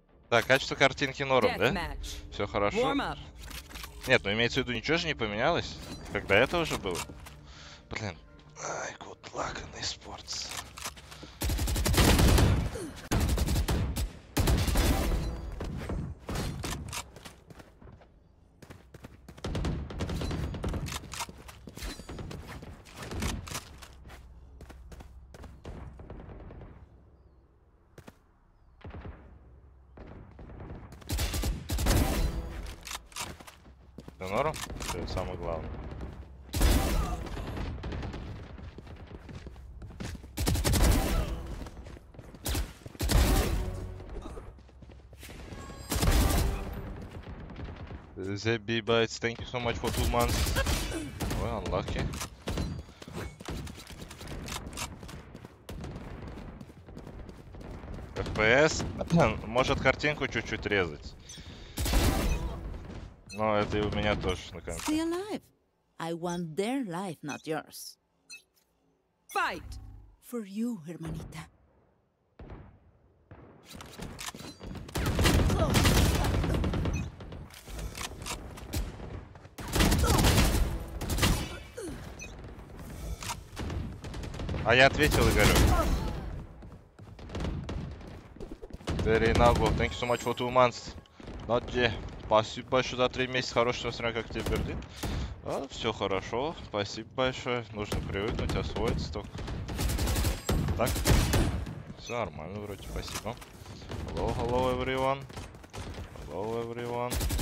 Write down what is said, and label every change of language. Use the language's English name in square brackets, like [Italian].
[Russian] Да, качество картинки норм, да? Все хорошо. Нет, ну имеется в виду, ничего же не поменялось, когда это уже было. Блин. [English] Ай, good luck in esports. [Russian] Норм? Это самое главное. [English] Zebby Bites, thank you so much for 2 months. Ой, unlucky. FPS? [Russian] Может картинку чуть-чуть резать. Но это и у меня тоже на конце. [English] Stay alive. I want their life, not yours. Fight for you, hermanita. [Russian] А я ответил, Игорю. [English] Very noble. Thank you so much for 2 months. Not yet. [Russian] Спасибо большое за 3 месяца. Хорошего сна, как тебе, Бердин. А, все хорошо. Спасибо большое. Нужно привыкнуть, освоиться только. Так. Все нормально вроде, спасибо. [English] Hello, hello, everyone. Hello, everyone.